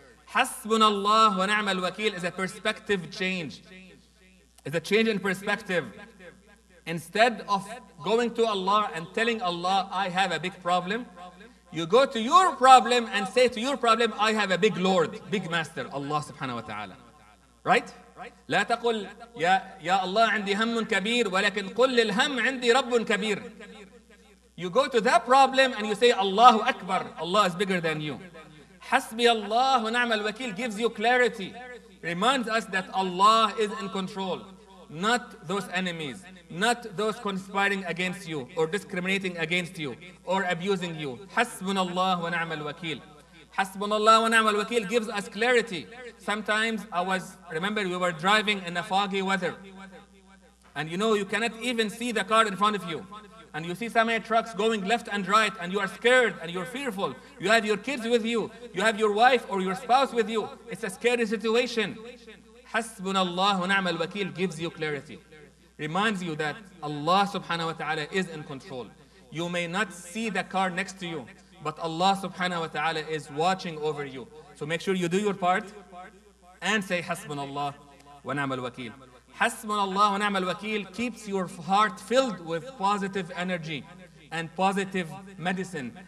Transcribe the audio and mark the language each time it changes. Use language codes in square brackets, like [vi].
[ar] حَسْبُنَ اللَّهُ وَنَعْمَ الْوَكِيلُ [en] is a perspective change. It's a change in perspective. Instead of going to Allah and telling Allah, I have a big problem, you go to your problem and say to your problem, I have a big Lord, big Master, Allah subhanahu wa ta'ala. Right? [ar] لا تقول يا الله عندي هم كبير ولكن قل للهم عندي رب كبير. [en] You go to that problem and you say, Allahu Akbar, Allah is bigger than you. [ar] حسبي الله ونعم الوكيل [en] gives you clarity, reminds us that Allah is in control, not those enemies, not those conspiring against you or discriminating against you or abusing you. [ar] حَسْبُنَ اللَّهُ وَنَعْمَ الْوَكِيلُ. حَسْبُنَ اللَّهُ وَنَعْمَ الْوَكِيلُ [en] gives us clarity. Sometimes we were driving in a foggy weather. And you know, you cannot even see the car in front of you. And you see so many trucks going left and right, and you are scared and you're fearful. You have your kids with you. You have your wife or your spouse with you. It's a scary situation. [ar] حَسْبُنَ اللَّهُ وَنَعْمَ الْوَكِيلُ [en] gives you clarity. Reminds you that Allah subhanahu wa ta'ala is in control. You may not see the car next to you, but Allah subhanahu wa ta'ala is watching over you. So make sure you do your part and say hasbunallah wa ni'mal wakeel. Hasbunallah wa ni'mal wakeel keeps your heart filled with positive energy and positive medicine.